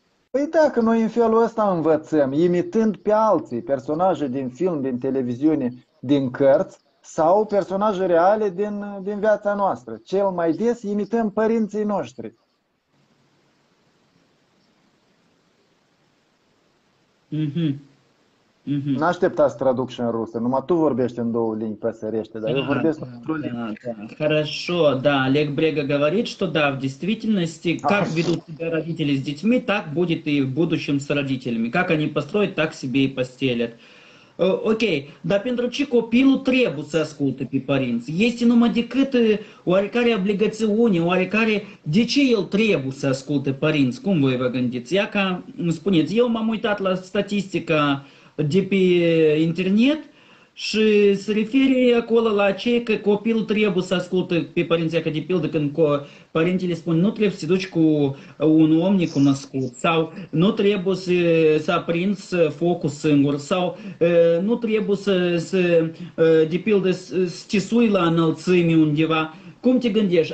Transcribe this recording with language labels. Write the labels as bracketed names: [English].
[Romanian] Păi dacă noi în felul ăsta învățăm, imitând pe alții, personaje din film, din televiziune, din cărți sau personaje reale din viața noastră. Cel mai des imităm părinții noștri. Nu aștepta să traduc și în rusă, numai tu vorbești în două limbi, păsărește, dar eu vorbesc într-o limbă. [Russian] Хорошо, да, Олег Брега говорит, что да, в действительности, как ведут себя родители с детьми, так будет и в будущем с родителями. Как они построят, так себе и постелят. Окей, да, [Romanian] pentru ce copilul trebuie să asculte pe părinți? Este numai decât oarecare obligațiune, oarecare... De ce el trebuie să asculte părinți? Cum voi vă gândiți? Ia ca, spuneți, eu m-am uitat la statistica de pe internet și se referi acolo la cei că copilul trebuie să asculte pe părinții, că de pildă când părintele spun nu trebuie să te duci cu un om necunoscut sau nu trebuie să aprinzi focul singur sau nu trebuie să de pildă să te sui la înălțime undeva. Cum te gândești?